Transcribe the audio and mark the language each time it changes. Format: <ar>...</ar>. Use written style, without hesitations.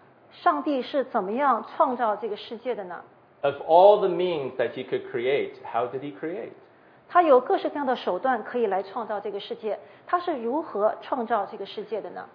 <zh>上帝是怎么样创造这个世界的呢？</zh> <en>Of all the means that he could create, how did he create?</en> <zh>他有各式各样的手段可以来创造这个世界，他是如何创造这个世界的呢？</zh>